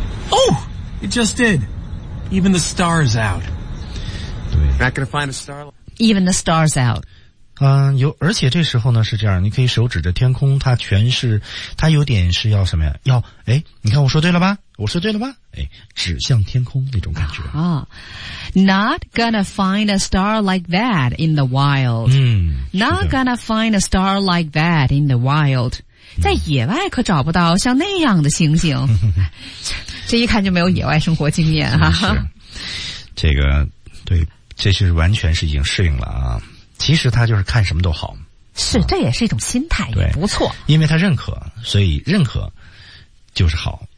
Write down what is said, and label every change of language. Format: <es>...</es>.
<en>Oh， it just did， even the stars out。 Not gonna find a star. Even the stars out.</en> <zh>有，而且这时候呢是这样，你可以手指着天空，它全是，它有点是要什么呀？要，哎，你看我说对了吧？我说对了吧？哎，指向天空那种感觉。</zh> <en>啊、Not gonna find a star like that in the wild. 嗯，Not gonna find a star like that in the wild.</en> <zh>在野外可找不到像那样的星星。这一看就没有野外生活经验哈、啊。这个对，这是完全是已经适应了啊。其实他就是看什么都好，是，这也是一种心态，也不错。因为他认可，所以认可就是好。</zh>